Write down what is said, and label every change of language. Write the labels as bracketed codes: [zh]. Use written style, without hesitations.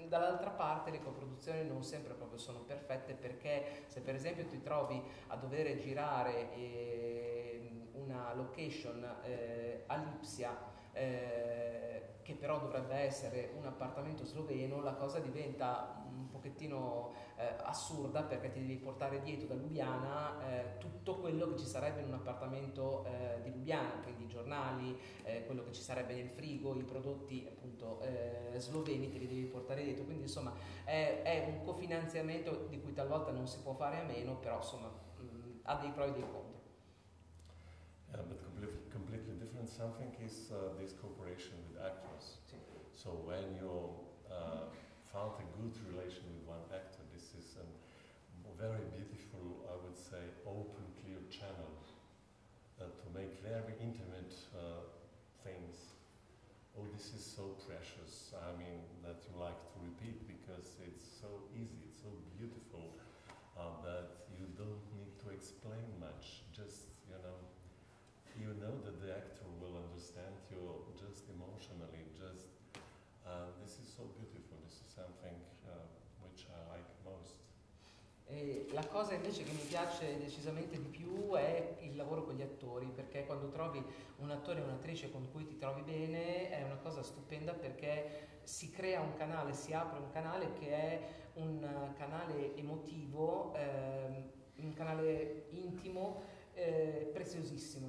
[it] Dall'altra parte le coproduzioni non sempre proprio sono perfette, perché se per esempio ti trovi a dover girare una location a Lipsia, che però dovrebbe essere un appartamento sloveno, la cosa diventa un pochettino assurda, perché ti devi portare dietro da Lubiana tutto quello che ci sarebbe in un appartamento di Lubiana, quindi i giornali, quello che ci sarebbe nel frigo, i prodotti appunto sloveni te li devi portare dietro, quindi insomma è un cofinanziamento di cui talvolta non si può fare a meno, però insomma ha dei pro e dei contro. [en] Yeah, but completely different something is this cooperation with actors. So when you found a good relation with one actor, this is a very beautiful, I would say, open, clear channel to make very intimate things. Oh, this is so precious, I mean, that you like to repeat, because it's so easy, it's so beautiful that you don't need to explain much, just, you know, you know that the actor will understand you just emotionally, just this is so beautiful, this is something which I like most. [it] E la cosa invece che mi piace decisamente di più è il lavoro con gli attori, perché quando trovi un attore o un'attrice con cui ti trovi bene è una cosa stupenda, perché si crea un canale, si apre un canale che è un canale emotivo, un canale intimo preziosissimo.